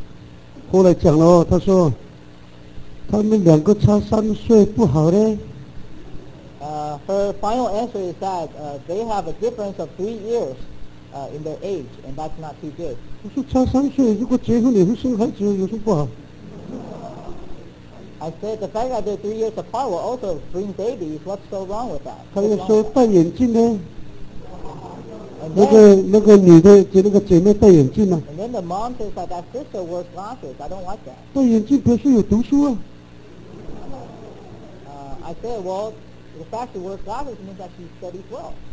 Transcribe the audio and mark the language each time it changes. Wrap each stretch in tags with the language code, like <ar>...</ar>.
<zh>结果他怎么回答这个妈妈？后来讲了，他说。他们两个差3岁不好嘞。</zh> <en>Her final answer is that they have a difference of 3 years in their age, and that's not too good.</en> <zh>我说差3岁，如果结婚也会生孩子，有什么不好？</zh> <en>I said the fact that they're 3 years apart will also bring babies. What's so wrong with that?</en> <zh>他又说戴眼镜呢。那个女的，就那个姐妹戴眼镜呢。</zh> <en>And then the mom says that that sister wears glasses. I don't like that.</en> <zh>戴眼镜表示有读书啊。</zh> <en>I said, well, the fact that we're godly means that she studies well.</en>